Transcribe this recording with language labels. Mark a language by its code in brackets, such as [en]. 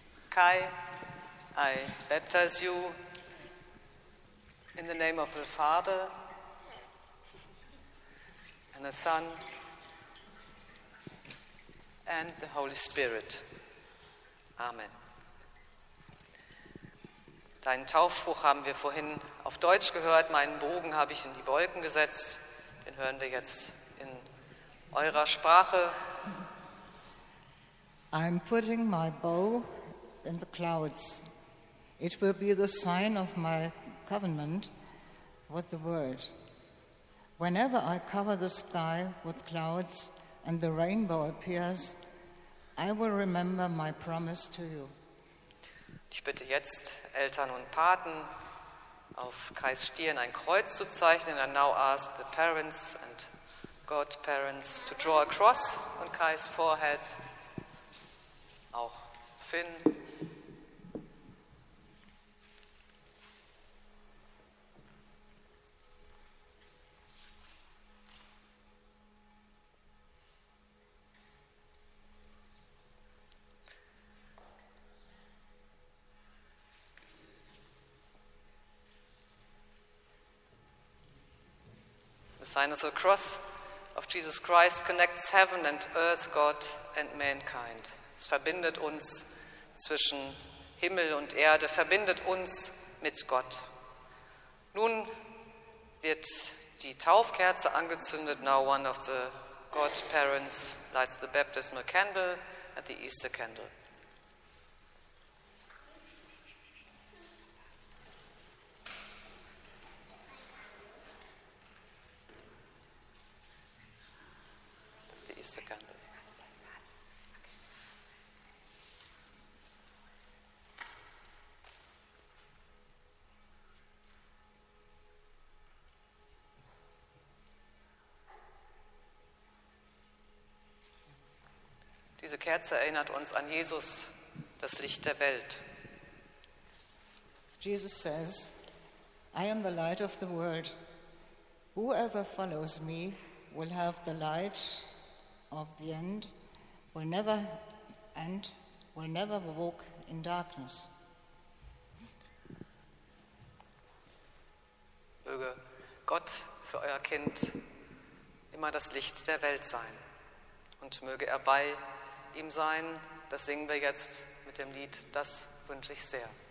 [en] Kai, I baptize you in the name of the Father and the Son and the Holy Spirit. Amen. [de] Deinen Taufspruch haben wir vorhin auf Deutsch gehört, meinen Bogen habe ich in die Wolken gesetzt, den hören wir jetzt in eurer Sprache. [en] I'm putting my bow in the clouds. It will be the sign of my covenant with the world. Whenever I cover the sky with clouds and the rainbow appears, I will remember my promise to you. [de] Ich bitte jetzt Eltern und Paten, auf Kais Stirn ein Kreuz zu zeichnen. [en] I now ask the parents and godparents to draw a cross on Kais forehead. [de] Auch Finn. [en] Sign of the cross of Jesus Christ connects heaven and earth, God and mankind. [de] Es verbindet uns zwischen Himmel und Erde, verbindet uns mit Gott. Nun wird die Taufkerze angezündet. [en] Now one of the godparents lights the baptismal candle and the Easter candle. [de] Diese Kerze erinnert uns an Jesus, das Licht der Welt. [en] Jesus says, I am the light of the world. Whoever follows me will have the light of the end, will never walk in darkness. [de] Möge Gott für euer Kind immer das Licht der Welt sein und möge er bei ihm sein, das singen wir jetzt mit dem Lied, das wünsche ich sehr.